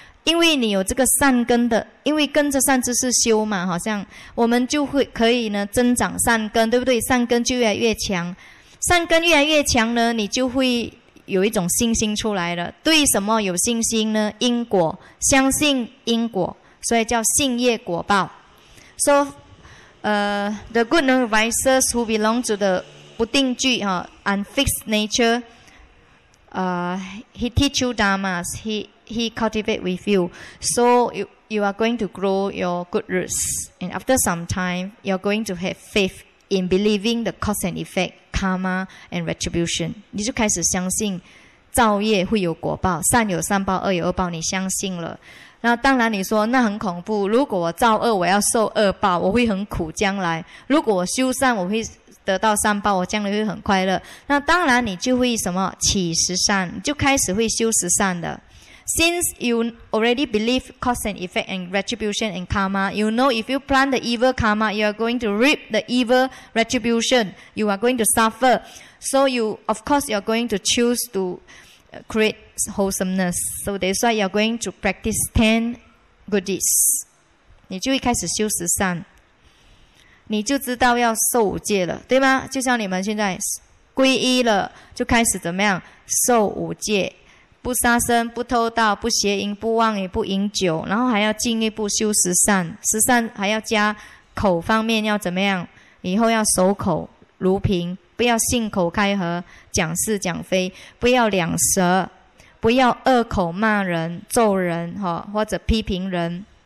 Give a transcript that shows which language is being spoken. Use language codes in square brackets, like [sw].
[zh] 因为你有这个善根的，因为跟着善知识修嘛，好像我们就会可以呢增长善根，对不对？善根就越来越强，善根越来越强呢，你就会有一种信心出来了。对什么有信心呢？因果，相信因果，所以叫信业果报。 [en] So, the good known advisors who belong to the 不定聚 unfixed nature, he teach you dharmas, he cultivate with you. So, you are going to grow your good roots. And after some time, you're going to have faith in believing the cause and effect, karma and retribution. [zh] 你就开始相信造业会有果报，善有善报，恶有恶报，你相信了。那当然你说那很恐怖，如果我造恶我要受恶报，我会很苦将来，如果我修善我会得到善报，我将来会很快乐。那当然你就会什么起十善，就开始会修十善的。 [en] Since you already believe cause and effect and retribution and karma, you know if you plant the evil karma, you are going to reap the evil retribution, you are going to suffer. So you of course you are going to choose to create wholesomeness. So that's why you're going to practice 10 good deeds. [zh] 你就会开始修十善，你就知道要受五戒了，对吗？就像你们现在皈依了，就开始怎么样受五戒，不杀生，不偷盗，不邪淫，不妄语，不饮酒，然后还要进一步修十善，十善还要加口方面要怎么样，以后要守口如瓶，不要信口开河讲是讲非，不要两舌，不要恶口骂人咒人或者批评人，